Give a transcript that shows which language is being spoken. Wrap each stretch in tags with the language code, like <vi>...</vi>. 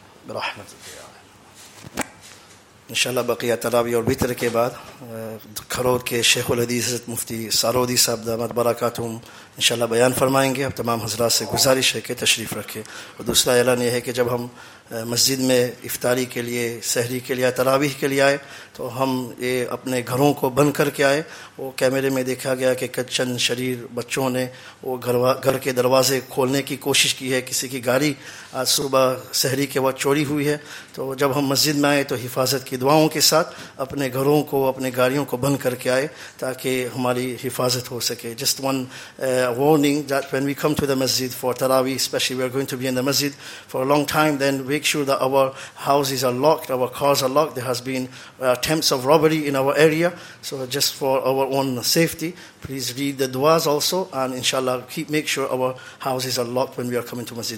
<ur>ورحمة الله انشاءاللہ بقیہ تراویح اور بتر کے بعد کھرور کے شیخ الحدیث حضرت مفتی سارودی صاحب دامت برکاتہم انشاءاللہ بیان فرمائیں گے. اب تمام حضرات سے گزارش ہے کہ تشریف رکھے. اور دوسرا اعلان یہ ہے کہ جب ہم مسجد میں افطاری کے لیے سحری کے لیے تراویح کے لیے آئے تو ہم یہ اپنے گھروں کو بند کر کے آئے. وہ کیمرے میں دیکھا گیا کہ چند شریر بچوں نے وہ گھر کے دروازے کھولنے کی کوشش کی ہے. کسی کی گاڑی آج صبح سحری کے وقت چوری ہوئی ہے. تو جب ہم مسجد میں آئے تو حفاظت کی دعاؤں کے ساتھ اپنے گھروں کو اپنے گاڑیوں کو بند کر کے آئے تاکہ ہماری حفاظت ہو سکے.</ur> <en>Just one warning that when we come to the masjid for Taraweeh, especially we are going to be in the masjid for a long time, then make sure that our houses are locked, our cars are locked. There has been attempts of robbery in our area. So just for our own safety, please read the du'as also, and inshallah, make sure our houses are locked when we are coming to masjid.</en>